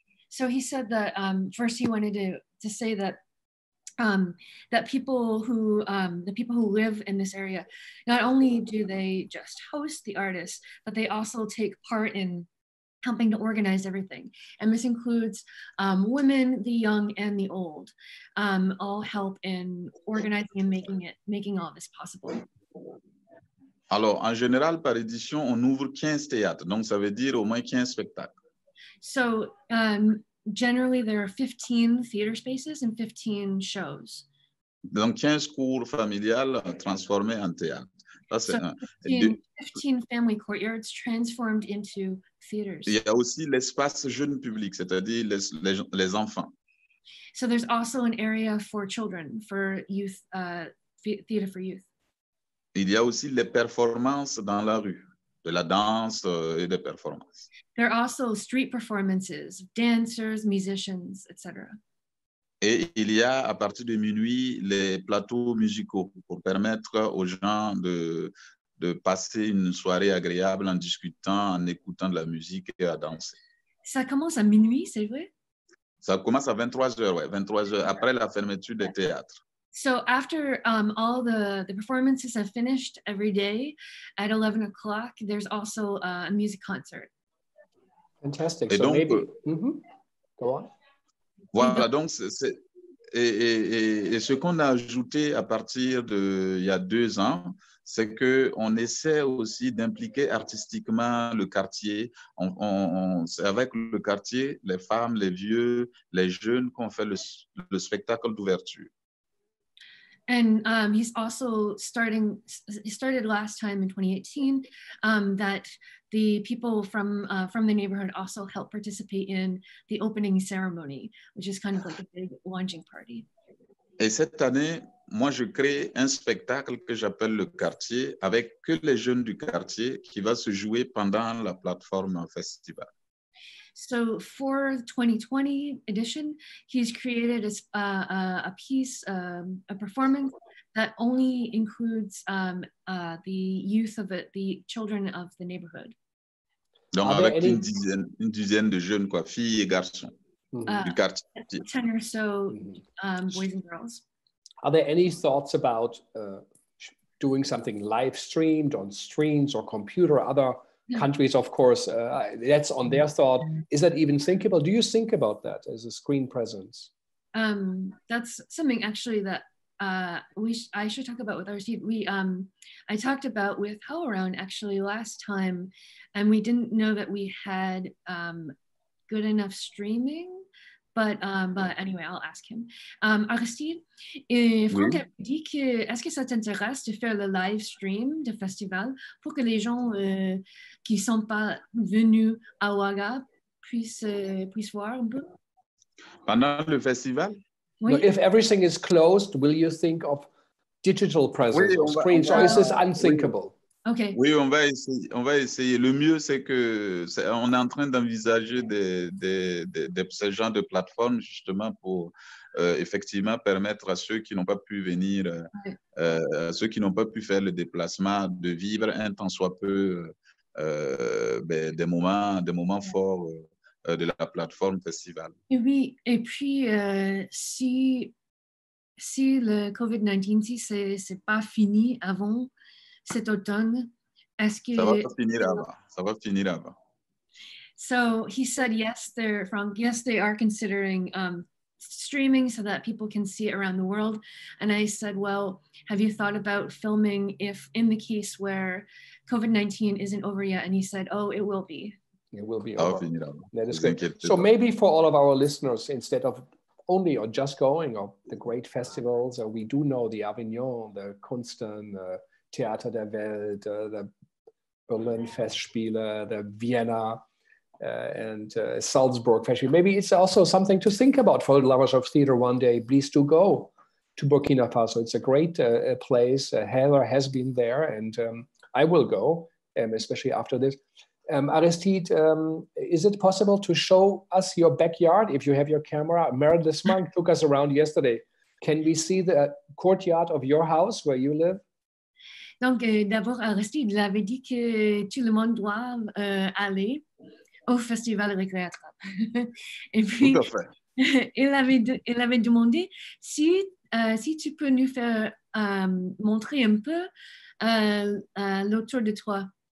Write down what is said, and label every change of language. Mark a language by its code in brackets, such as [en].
[en] So he said that first he wanted to say that the people who live in this area, not only do they just host the artists, but they also take part in helping to organize everything. And this includes women, the young and the old, all help in organizing and making all this possible. [fr] Alors, en général, par édition, on ouvre 15 théâtres. Donc, ça veut dire au moins 15 spectacles. [en] So, generally, there are 15 theater spaces and 15 shows. [fr] Donc, 15 cours familiales transformés en théâtre. Ça, c'est [en] so, 15 family courtyards transformed into theaters. [fr] Il y a aussi l'espace jeune public, c'est-à-dire les enfants. [en] So there's also an area for children, for youth, theater for youth. [fr] Il y a aussi les performances dans la rue. de la danse et des performances. [en] There are also street performances, dancers, musicians, etc. [fr] Et il y a à partir de minuit les plateaux musicaux pour permettre aux gens de passer une soirée agréable en discutant, en écoutant de la musique et à danser. Ça commence à minuit, c'est vrai? Ça commence à 23h, ouais, 23h après la fermeture des théâtres. [en] So after all the performances have finished every day at 11 o'clock, there's also a music concert. Fantastic. [fr] Et so donc, [en] maybe. Go on. [fr] Voilà, donc c'est et ce qu'on a ajouté à partir de il y a 2 ans, c'est que on essaie aussi d'impliquer artistiquement le quartier. On c'est avec le quartier, les femmes, les vieux, les jeunes qu'on fait le spectacle d'ouverture. [en] And he's also starting, he started last time in 2018, that the people from the neighborhood also help participate in the opening ceremony, which is kind of like a big launching party. [fr] Et cette année, moi, je crée un spectacle que j'appelle Le Quartier, avec que les jeunes du quartier, qui va se jouer pendant la plateforme festival. [en] So for the 2020 edition, he's created a piece, a performance that only includes the youth of the children of the neighborhood. [fr] Donc avec une dizaine de jeunes quoi, filles et garçons du quartier. [en] 10 or so boys and girls. Are there any thoughts about doing something live streamed on streams or computer or other? Yeah. Countries, of course, that's on their thought. Is that even thinkable? Do you think about that as a screen presence? That's something actually that I should talk about with our team. I talked about with HowlRound actually last time, and we didn't know that we had good enough streaming. But anyway, I'll ask him. [fr] Aristide, Franck a dit que est-ce que ça t'intéresse de faire le live stream de festival pour que les gens qui sont pas venus à Ouaga puissent voir un peu pendant le festival? Oui. [en] No, if everything is closed, will you think of digital presence or screens, or is this unthinkable? [fr] Oui. Okay. Oui, on va essayer. Le mieux, c'est que on est en train d'envisager ce genre de plateforme justement pour effectivement permettre à ceux qui n'ont pas pu venir, à ceux qui n'ont pas pu faire le déplacement, de vivre un tant soit peu des moments forts de la plateforme festival. Oui, et puis si le COVID-19, si c'est pas fini avant cet automne, est-ce que... Ça va finir avant. [en] So he said yes, they are considering streaming so that people can see it around the world. And I said, well, have you thought about filming if in the case where COVID-19 isn't over yet? And he said, oh, it will be. It will be over. That is good. So maybe for all of our listeners, instead of only or just going or the great festivals, we do know the Avignon, the Kunsten, the Theater der Welt, the Berlin Festspiele, the Vienna, and Salzburg Festspiele. Maybe it's also something to think about for lovers of theater one day. Please do go to Burkina Faso. It's a great place. Heller has been there, and I will go, especially after this. Aristide, is it possible to show us your backyard if you have your camera? Meredith Monk took us around yesterday. Can we see the courtyard of your house where you live? [fr] Donc, d'abord, Aristide l'avait dit que tout le monde doit aller au festival récréatif. Et puis, il avait demandé si tu peux nous faire montrer un peu l'autour de toi.